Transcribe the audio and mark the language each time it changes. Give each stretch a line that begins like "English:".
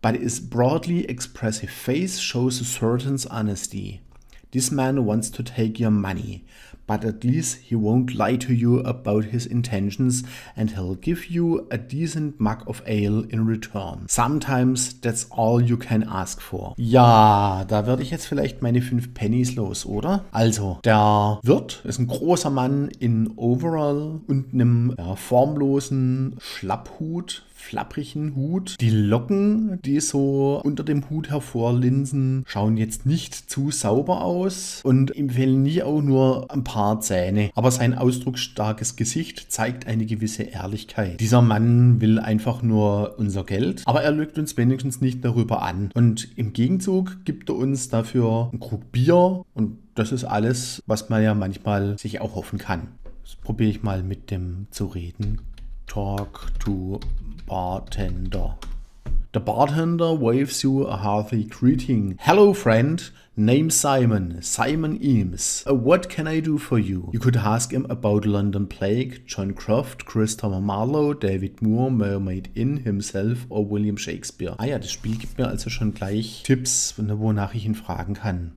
English: But his broadly expressive face shows a certain honesty. This man wants to take your money, but at least he won't lie to you about his intentions and he'll give you a decent mug of ale in return. Sometimes that's all you can ask for.
German: Ja, da werde ich jetzt vielleicht meine 5 Pennies los, oder? Also, der Wirt ist ein großer Mann in Overall und einem formlosen Schlapphut. Flapprigen Hut. Die Locken, die so unter dem Hut hervorlinsen, schauen jetzt nicht zu sauber aus und ihm fehlen nie auch nur ein paar Zähne. Aber sein ausdrucksstarkes Gesicht zeigt eine gewisse Ehrlichkeit. Dieser Mann will einfach nur unser Geld, aber er lügt uns wenigstens nicht darüber an. Und im Gegenzug gibt er uns dafür einen Krug Bier und das ist alles, was man ja manchmal sich auch hoffen kann. Das probiere ich mal mit dem zu reden.
English: Talk to bartender. The bartender waves you a hearty greeting. Hello, friend. Name Simon. Simon Eames. What can I do for you? You could ask him about London Plague, John Croft, Christopher Marlowe, David Moore, Mermaid Inn himself or William Shakespeare.
German: Ah ja, das Spiel gibt mir also schon gleich Tipps, wonach ich ihn fragen kann.